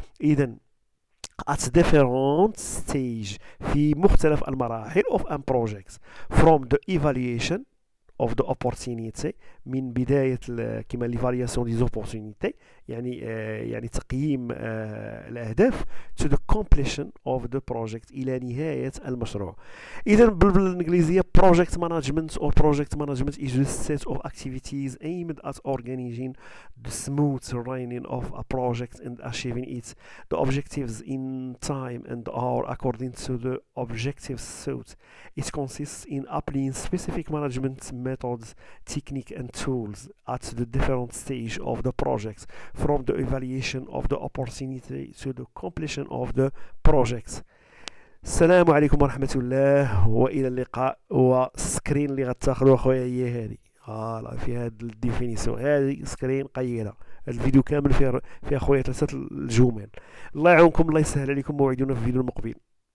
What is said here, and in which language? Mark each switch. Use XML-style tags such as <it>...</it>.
<en>إذا at different stage</en> <ar>في مختلف المراحل</ar> <en>of a project from the evaluation of the opportunity</en> <ar>من بداية كما الإيفاليسيون دي زوبورتينيتي يعني يعني تقييم الأهداف</ar> <en>to the completion of the project</en> <ar>إلى نهاية المشروع. إذا بالإنجليزية</ar> <en>project management or project management is a set of activities aimed at organizing the smooth running of a project and achieving it the objectives in time and hour according to the objectives set. It consists in applying specific management methods, technique and tools at the different stage of the project from the evaluation of the opportunity to the completion of the project.</en> <ar>السلام عليكم ورحمة الله، وإلى اللقاء. وسكرين اللي غتاخدو اخويا هي هادي، فوالا في هاد الديفينيسيون، هادي سكرين قيلة، الفيديو كامل فيه اخويا ثلاثة الجمل. الله يعاونكم، الله يسهل عليكم، موعدنا في الفيديو المقبل.</ar>